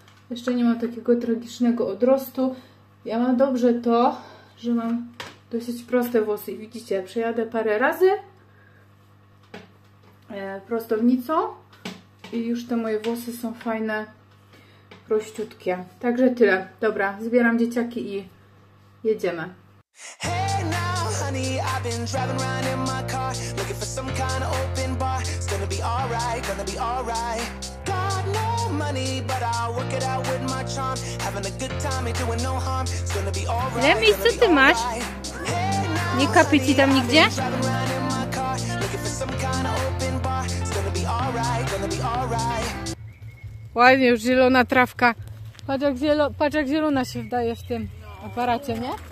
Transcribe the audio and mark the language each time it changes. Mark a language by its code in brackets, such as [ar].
[pl] Jeszcze nie mam takiego tragicznego odrostu. Ja mam dobrze to, że mam dosyć proste włosy. Widzicie, przejadę parę razy prostownicą i już te moje włosy są fajne, prościutkie. Także tyle. Dobra, zbieram dzieciaki i jedziemy. [en] Hey now, honey, I've been driving around in my car, looking for some kind of open bar. It's gonna be alright, gonna be alright. Got no money, but I'll work it out with my charm. Having a good time, ain't doing no harm. It's gonna be alright. [pl] Remi, co ty masz? Nie kapie ci tam nigdzie? Ładnie, już zielona trawka. Patrz jak zielona się wdaje w tym aparacie, nie?